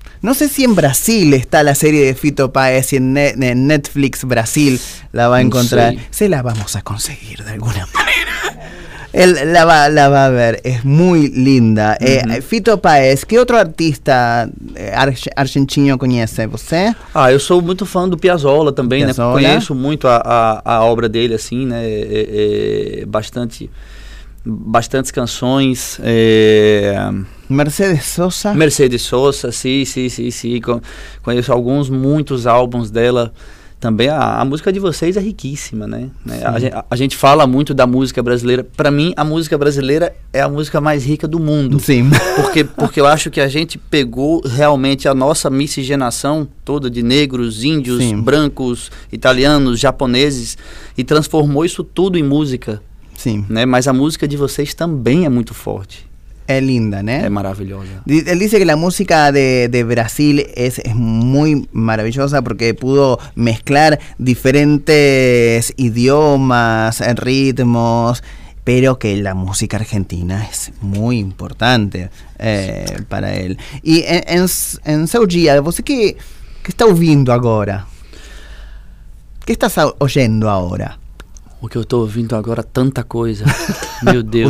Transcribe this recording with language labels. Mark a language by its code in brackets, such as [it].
[pt] Não sei se em Brasil está a série de Fito Páez, se em Netflix Brasil [es] la va a encontrar. Sí. Se la vamos a conseguir de alguna manera. Él la va a ver, es muy linda. Uh-huh. Fito Páez, ¿qué otro artista argentino conoce usted? Ah, yo soy muy fan de Piazzolla también, Piazzolla. Né? [pt] Conheço mucho a obra dele, assim, né? [es] Bastantes canciones. [pt] Mercedes Sosa, [es] sí. [pt] Conheço alguns, muitos álbuns dela. Também a música de vocês é riquíssima, né? A gente fala muito da música brasileira. Para mim, a música brasileira é a música mais rica do mundo. Sim. Porque eu acho que a gente pegou realmente a nossa miscigenação toda de negros, índios, sim, brancos, italianos, japoneses e transformou isso tudo em música. Sim. Né? Mas a música de vocês também é muito forte. [es] Es linda, ¿no? Es maravillosa. Él dice que la música de Brasil es muy maravillosa porque pudo mezclar diferentes idiomas, ritmos, pero que la música argentina es muy importante para él. Y en su día, ¿vos qué está oyendo ahora? ¿Qué estás oyendo ahora? [pt] O que eu estou ouvindo agora, tanta coisa, meu Deus.